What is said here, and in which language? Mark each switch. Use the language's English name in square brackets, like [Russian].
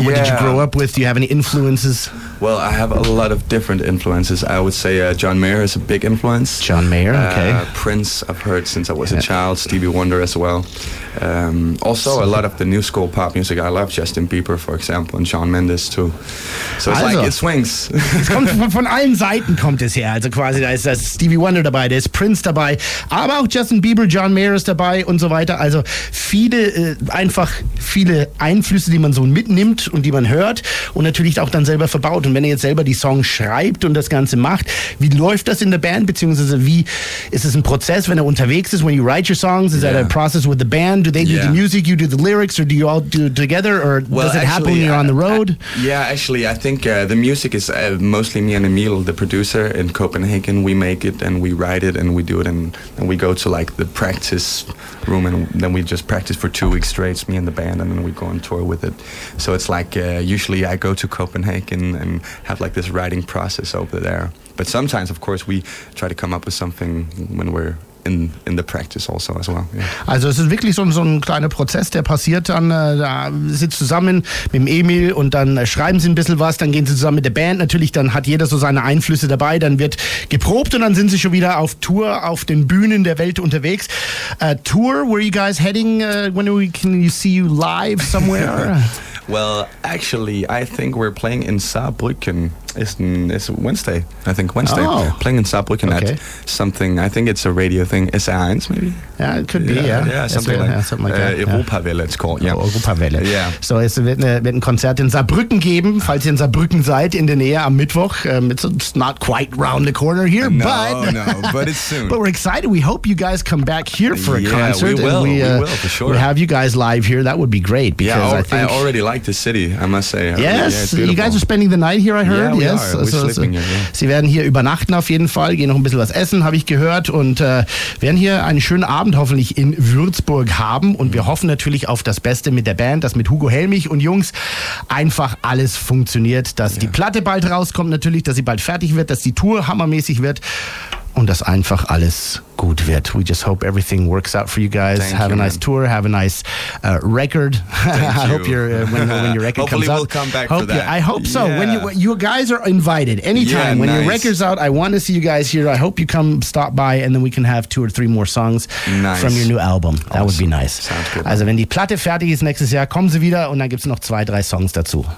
[English] Yeah. What did you grow up with? Do you have any influences? Well, I have a lot of different influences. I would say John Mayer is a big influence. John Mayer, okay. Prince, I've heard since I was a child. Stevie Wonder as well. Also, a lot of the new school pop music. I love Justin Bieber, for example, and Shawn Mendes too. So it's like it swings. [German] Es kommt von allen Seiten kommt es her. Also quasi da ist das Stevie Wonder dabei, da ist Prince dabei, aber auch Justin Bieber, John Mayer ist dabei und so weiter. Also viele einfach viele Einflüsse, die man so mitnimmt und die man hört und natürlich auch dann selber verbaut. Und wenn ihr jetzt selber die Songs schreibt und das Ganze macht, wie läuft das in der Band, beziehungsweise wie ist es ein Prozess, wenn er unterwegs ist, [English] when you write your songs, is that a process with the band? Do they do the music, you do the lyrics, or do you all do it together, or does it happen when you're on the road? I think the music is mostly me and Emil, the producer in Copenhagen. We make it and we write it and we do it, and we go to like the practice room and then we just practice for 2 weeks straight, me and the band, and then we go on tour with it. So it's like usually I go to Copenhagen and have like this writing process over there. But sometimes, of course, we try to come up with something when we're in the practice also as well. Yeah. [German] Also es ist wirklich so ein kleiner Prozess, der passiert dann, da sitzt zusammen mit dem Emil und dann schreiben sie ein bisschen was, dann gehen sie zusammen mit der Band, natürlich dann hat jeder so seine Einflüsse dabei, dann wird geprobt und dann sind sie schon wieder auf Tour auf den Bühnen der Welt unterwegs. [English] Tour, where are you guys heading? When can you see you live somewhere? Well, actually, I think we're playing in Saarbrücken. It's Wednesday, I think. Wednesday. Oh. Playing in Saarbrücken at something. I think it's a radio thing. SR1, maybe? Yeah, it could be, something like that. Europawelle, it's called. Yeah. Oh, Europawelle. Yeah. [German] So, es wird, wird ein Konzert in Saarbrücken geben, falls ihr in Saarbrücken seid, in der Nähe am Mittwoch. [English] It's not quite round the corner here, but it's soon. But we're excited. We hope you guys come back here for a concert. Yeah, we will. We will, for sure. We have you guys live here. That would be great. Because I already like the city, I must say. Yes, you guys are spending the night here, I heard. Yeah, yes, we're sleeping here. [German] Sie werden hier übernachten auf jeden Fall, gehen noch ein bisschen was essen, habe ich gehört, und werden hier einen schönen Abend hoffentlich in Würzburg haben, und wir hoffen natürlich auf das Beste mit der Band, dass mit Hugo Helmich und Jungs einfach alles funktioniert, dass die Platte bald rauskommt natürlich, dass sie bald fertig wird, dass die Tour hammermäßig wird und dass einfach alles gut wird. [English] We just hope everything works out for you guys. Thank you, man. Have a nice tour. Have a nice record. Thank you. I hope you're, when your record comes out. Hopefully we'll come back for that. I hope so. Yeah. When you guys are invited anytime. Yeah, when nice. Your record's out, I want to see you guys here. I hope you come stop by and then we can have two or three more songs from your new album. Awesome. That would be nice. Sounds good. [German] Also wenn die Platte fertig ist nächstes Jahr, kommen Sie wieder und dann gibt's noch zwei, drei Songs dazu.